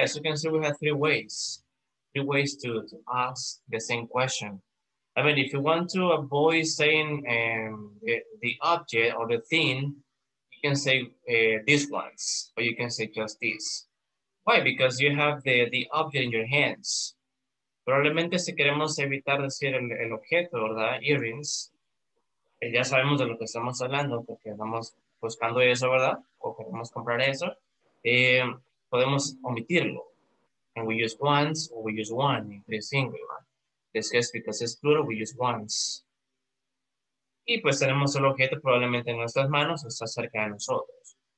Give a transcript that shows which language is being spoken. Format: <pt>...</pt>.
<en>As you can see, we have three ways. Three ways to ask the same question. I mean, if you want to avoid saying the object or the thing, you can say these ones, or you can say just these. Why? Because you have the object in your hands.</en> <es>Probablemente si queremos evitar decir el objeto, ¿verdad? Earrings. Ya sabemos de lo que estamos hablando porque estamos buscando eso, ¿verdad? O queremos comprar eso. Podemos omitirlo.</es> <en>And we use ones or we use one in the singular. In this case, because it's plural, we use ones.</en> <es>Y pues tenemos el objeto probablemente en nuestras manos o está cerca de nosotros.</es>